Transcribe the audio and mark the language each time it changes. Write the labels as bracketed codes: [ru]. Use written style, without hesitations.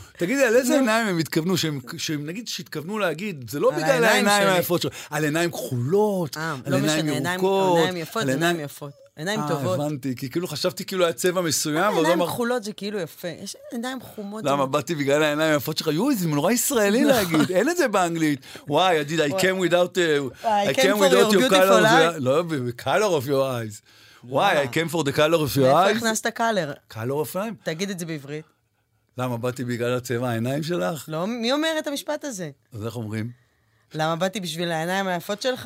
[he] תגידי, על איזה עיניים הם התכוונו, שהם נגיד שהתכוונו להגיד, זה לא בגלל העיניים היפות שלך, על עיניים כחולות, על עיניים ירוקות. עיניים יפות, עיניים טובות. אה, הבנתי, כי כאילו חשבתי כאילו היה צבע מסוים. עיניים כחולות זה כאילו יפה, יש עיניים חומות. למה, באתי בגלל העיניים היפות שלך, יואי, זה נורא ישראלי להגיד, אין את זה באנגלית. [en] וואי, ידיד, I came without your color. לא, color of your eyes. וואי, I came for the color of your eyes. [he] איך הכנסת color? [en] Color of your eyes? [he] תגיד את זה בעברית. למה, באתי בגלל הצבע העיניים שלך? לא, מי אומר את המשפט הזה? אז איך אומרים? למה באתי בשביל העיניים היפות שלך?